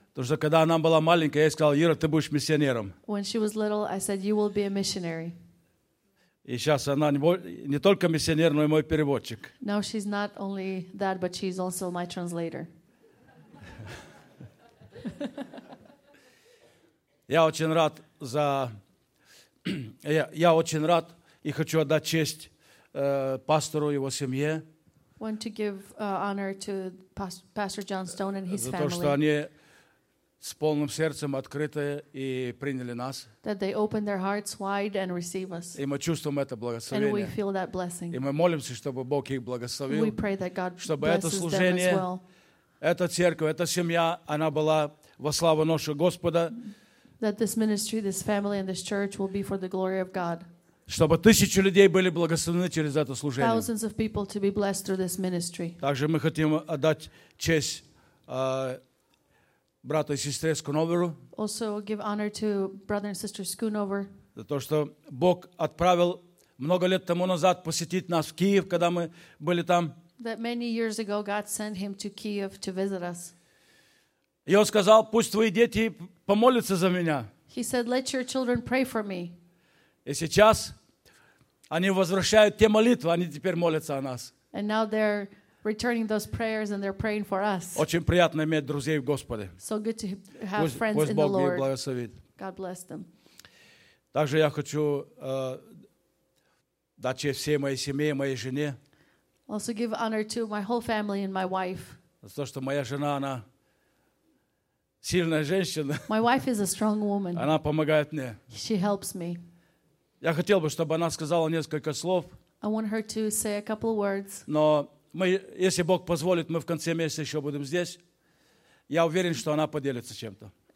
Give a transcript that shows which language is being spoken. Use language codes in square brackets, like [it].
[ru] Потому что когда она была маленькая, я сказал, Ира, ты будешь миссионером. [en] When she was little, I said, you will be a missionary. [ru] И сейчас она не только миссионер, но и мой переводчик. [en] Now she's not only that, but she's also my translator. [ru] Я очень рад и хочу отдать честь пастору и его семье. [en] Want to give honor to Pastor John Stone and his family. [ru] За то, что они с полным сердцем открыты и приняли нас. [en] That they open their hearts wide and receive us. [ru] И мы чувствуем это благословение. [en] And we feel that blessing. [ru] И мы молимся, чтобы Бог их благословил. [en] We pray that God blesses them as well. [ru] Чтобы это служение, эта церковь, эта семья, она была во славу нашего Господа. [en] That this ministry, this family, and this church will be for the glory of God. [ru] Чтобы тысячи людей были благословлены через это служение. [en] Thousands of people to be blessed through this ministry. [ru] Также мы хотим отдать честь брату и сестре Скуноверу. [en] Also give honor to brother and sister Skunover. [ru] За то, что Бог отправил много лет тому назад посетить нас в Киев, когда мы были там. [en] That many years ago God sent him to Kiev to visit us. [ru] И он сказал, пусть твои дети помолятся за меня. [en] He said, let your children pray for me. [ru] И сейчас они возвращают те молитвы, они теперь молятся о нас. [en] And now they're returning those prayers and they're praying for us. [ru] Очень приятно иметь друзей в Господе. [en] So good to have friends in the Lord. [ru] Пусть Бог их благословит. [en] God bless them. [ru] Также я хочу дать честь всей моей семье, моей жене. [en] Also give honor to my whole family and my wife. [ru] За то, что моя жена, она сильная женщина. [en] My wife is a strong woman. [ru] Она помогает мне. [en] She helps me. [ru] Я хотел бы, чтобы она сказала несколько слов. [en] I want her to say a couple words. [ru] Но мы, если Бог позволит, мы в конце месяца еще будем здесь. Я уверен, что она поделится чем-то.